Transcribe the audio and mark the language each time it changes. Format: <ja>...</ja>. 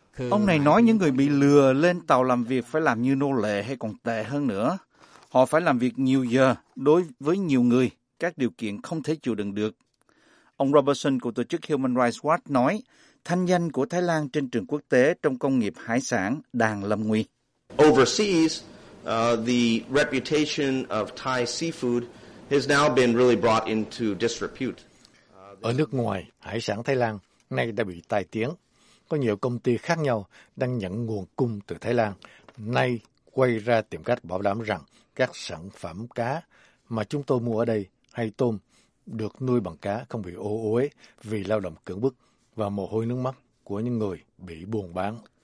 <vi>Ông này nói những người bị lừa lên tàu làm việc phải làm như nô lệ hay còn tệ hơn nữa. Họ phải làm việc nhiều giờ, đối với nhiều người, các điều kiện không thể chịu đựng được. Ông Robertson của tổ chức Human Rights Watch nói, thanh danh của Thái Lan trên trường quốc tế trong công nghiệp hải sản đang lâm nguy.</vi> <en>Overseas, the reputation of Thai seafood has now been really brought into disrepute.</en> <vi>Ở nước ngoài, hải sản Thái Lan nay đã bị tai tiếng. Có nhiều công ty khác nhau đang nhận nguồn cung từ Thái Lan, nay quay ra tìm cách bảo đảm rằng các sản phẩm cá mà chúng tôi mua ở đây hay tôm được nuôi bằng cá không bị ô uế vì lao động cưỡng bức và mồ hôi nước mắt của những người bị buôn bán.</vi>